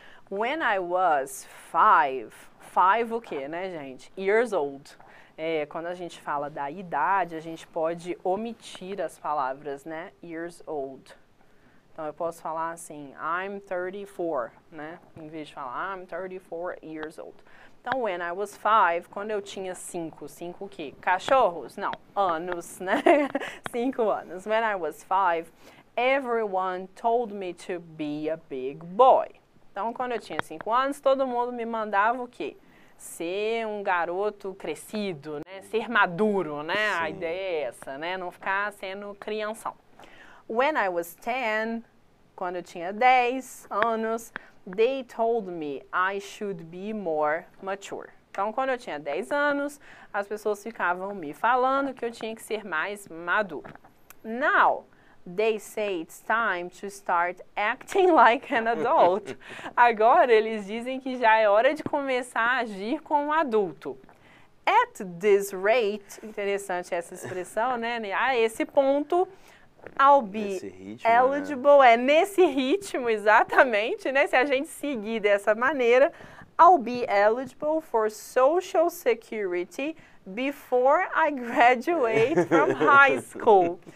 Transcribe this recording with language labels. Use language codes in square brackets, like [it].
[en] When I was five [pt] o quê, né, gente? [en] Years old. [pt] Quando a gente fala da idade, a gente pode omitir as palavras, né? [en] Years old. [pt] Então, eu posso falar assim, [en] I'm 34, [pt] né? Em vez de falar, [en] I'm 34 years old. [pt] Então, [en] when I was five, [pt] quando eu tinha cinco o quê? Cachorros? Não, anos, né? 5 anos. [en] When I was five, everyone told me to be a big boy. [pt] Então, quando eu tinha 5 anos, todo mundo me mandava o quê? Ser um garoto crescido, né? Ser maduro, né? Sim. A ideia é essa, né? Não ficar sendo crianção. [en] When I was 10, [pt] quando eu tinha 10 anos, [en] they told me I should be more mature. [pt] Então, quando eu tinha 10 anos, as pessoas ficavam me falando que eu tinha que ser mais maduro. Now, [en] They say it's time to start acting like an adult. [pt] Agora eles dizem que já é hora de começar a agir como um adulto. [en] At this rate, [pt] interessante essa expressão, né? A esse ponto, [en] I'll be eligible. [pt] É nesse ritmo, exatamente, né? Se a gente seguir dessa maneira, [en] I'll be eligible for Social Security before I graduate from high school.